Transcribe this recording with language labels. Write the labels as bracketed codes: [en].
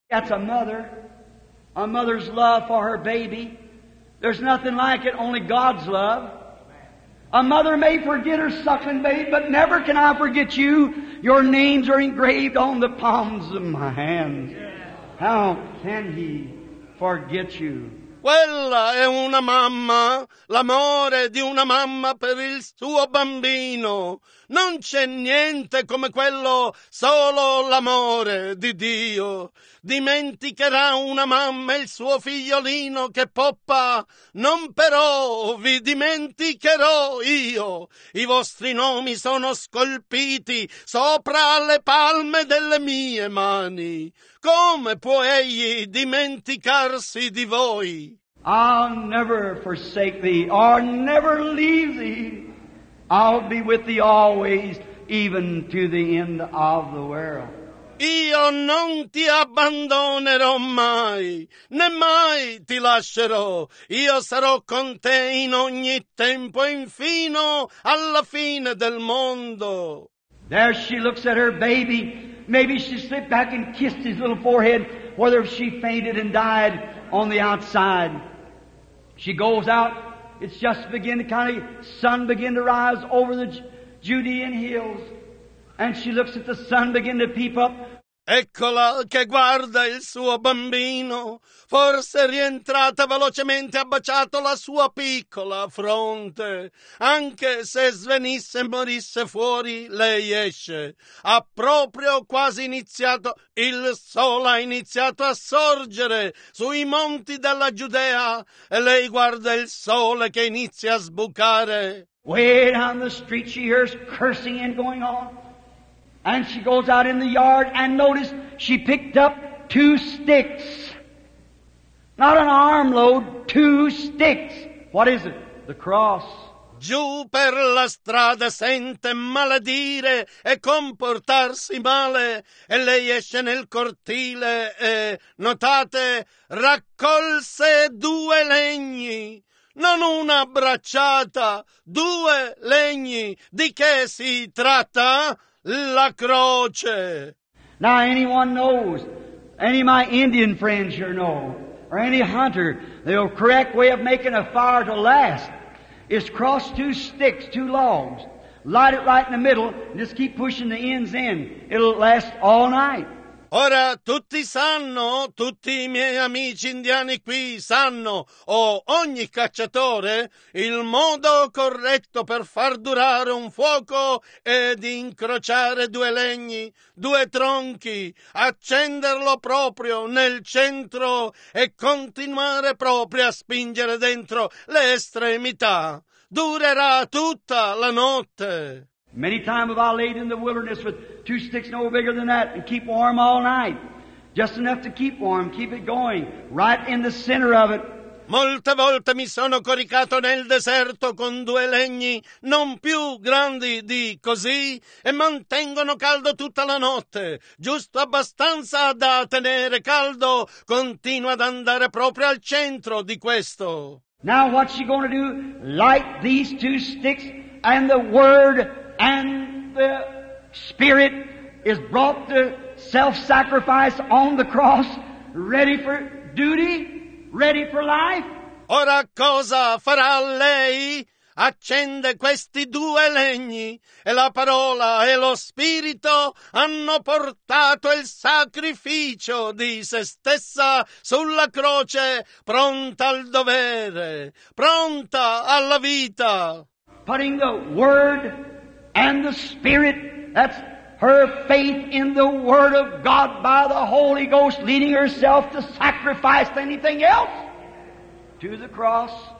[en] That's a mother's love for her baby. There's nothing like it, only God's love. A mother may forget her suckling babe, but never can I forget you. Your names are engraved on the palms of my hands. How can he forget you? [it] Quella è una mamma, l'amore di una mamma per il suo bambino. Non c'è niente come quello, solo l'amore di Dio. Dimenticherà una mamma il suo figliolino che poppa. Non però vi dimenticherò io. I vostri nomi sono scolpiti sopra le palme delle mie mani. Come può egli dimenticarsi di voi? [en] I'll never forsake thee or never leave thee. I'll be with thee always, even to the end of the world. [it] Io non ti abbandonerò mai, né mai ti lascerò. Io sarò con te in ogni tempo, e infino alla fine del mondo. [en] There she looks at her baby. Maybe she slipped back and kissed his little forehead, whether she fainted and died on the outside. She goes out. It's just beginning to kind of, sun begin to rise over the Judean hills. And she looks at the sun begin to peep up. [it] Eccola che guarda il suo bambino. Forse è rientrata velocemente, ha baciato la sua piccola fronte. Anche se svenisse e morisse fuori, lei esce. Ha proprio quasi iniziato, il sole ha iniziato a sorgere sui monti della Giudea. E lei guarda il sole che inizia a sbucare. [en] Way down the street she hears cursing and going on. And she goes out in the yard and notice she picked up two sticks. Not an armload, two sticks. What is it? The cross. [it] Giù per la strada sente maledire e comportarsi male. E lei esce nel cortile e, notate, raccolse due legni. Non una bracciata, due legni. Di che si tratta? La croce. [en] Now anyone knows, any of my Indian friends here know, or any hunter, the correct way of making a fire to last is cross two sticks, two logs, light it right in the middle, and just keep pushing the ends in. It'll last all night. [it] Ora tutti sanno, tutti i miei amici indiani qui sanno, o ogni cacciatore, il modo corretto per far durare un fuoco è di incrociare due legni, due tronchi, accenderlo proprio nel centro e continuare proprio a spingere dentro le estremità. Durerà tutta la notte. [en] Many times have I laid in the wilderness with two sticks no bigger than that and keep warm all night. Just enough to keep warm, keep it going, right in the center of it. [it] Molte volte mi sono coricato nel deserto con due legni non più grandi di così e mantengono caldo tutta la notte, giusto abbastanza da tenere caldo, continua ad andare proprio al centro di questo. [en] Now what's she going to do? Light these two sticks and the word and the Spirit is brought to self-sacrifice on the cross, ready for duty, ready for life. [it] Ora cosa farà lei? Accende questi due legni e la parola e lo Spirito hanno portato il sacrificio di se stessa sulla croce, pronta al dovere, pronta alla vita. [en] Putting the word and the Spirit, that's her faith in the Word of God by the Holy Ghost, leading herself to sacrifice anything else to the cross.